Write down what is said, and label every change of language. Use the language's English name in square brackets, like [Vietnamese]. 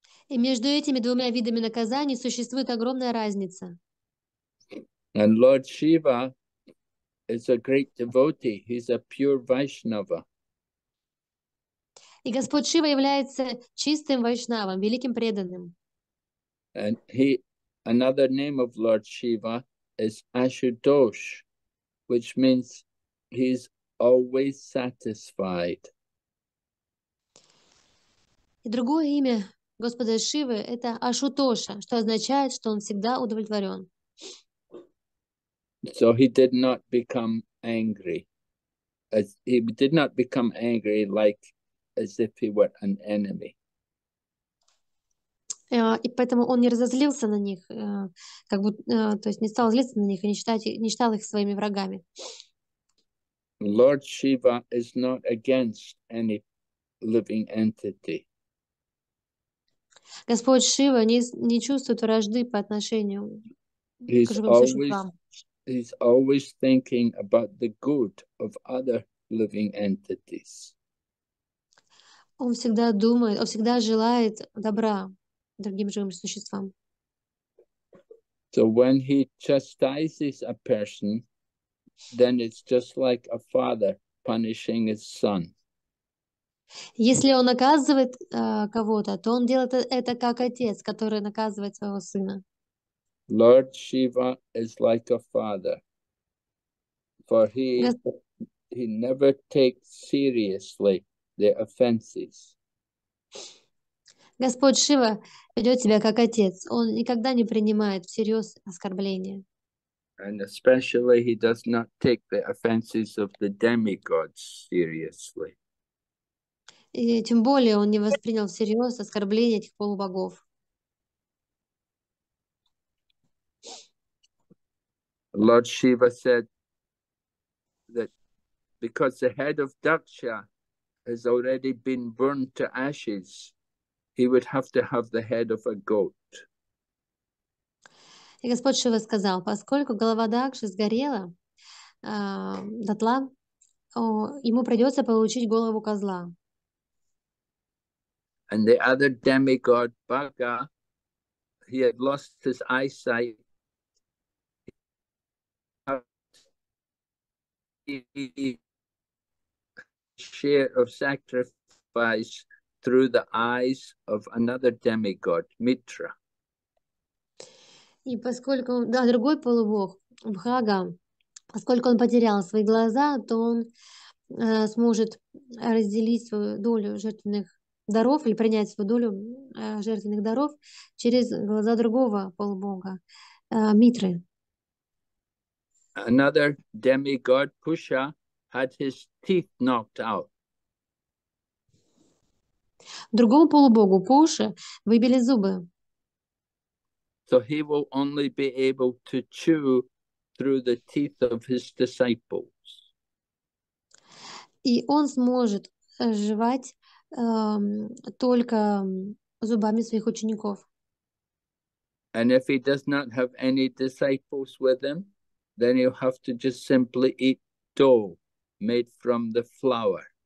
[Russian] И между этими двумя видами наказаний существует огромная разница. [English] And Lord Shiva is a great devotee. He's a pure Vaishnava. [Russian] И Господь Шива является чистым вайшнавом, великим преданным. [English] And he, another name of Lord Shiva is Ashutosh, which means he's always satisfied. [Russian] И другое имя Господа Шивы – это Ашутоша, что означает, что он всегда удовлетворен. [English] So he did not become angry. As he did not become angry like as if he were an enemy. [Russian] И поэтому он не разозлился на них, как будто, то есть не стал злиться на них и не считал их своими врагами. [English] Lord Shiva is not against any living entity. [Russian] Господь Шива не чувствует вражды по отношению [English] he's [Russian] к живым [English] always, [Russian] существам. [English] He's always thinking about the good of other living entities. [Russian] Он всегда думает, он всегда желает добра другим живым существам. [English] So when he chastises a person, then it's just like a father punishing his son. [Russian] Если он наказывает кого-то, то он делает это как отец, который наказывает своего сына. [English] Lord Shiva is like a father, for he never takes seriously the offenses. [Russian] Господь Шива ведет себя как отец. Он никогда не принимает всерьез оскорбления. [English] And especially he does not take the offenses of the demigods seriously. [Russian] И тем более он не воспринял всерьез оскорбления этих полубогов. [English] Lord Shiva said that because the head of Daksha has already been burned to ashes, he would have to have the head of a goat. [Russian] И Господь Шива сказал, поскольку голова Дакши сгорела дотла, ему придется получить голову козла. [English] And the other demigod, Bhaga, he had lost his eyesight. Share of sacrifice through the eyes of another demigod, Mitra. [Russian] И поскольку, да, другой полубог, Бхага, поскольку он потерял свои глаза, то он сможет разделить свою долю жертвенных даров или принять свою долю жертвенных даров через глаза другого полубога, Митры. [English] Another demigod, Pusha, had his teeth knocked out. [Russian] Другому полубогу, Пуше, выбили зубы. [English] So he will only be able to chew through the teeth of his disciples. [Russian] И он сможет жевать только зубами своих учеников. [English] And if he does not have any disciples with him, then you have to just simply eat dough made from the flour.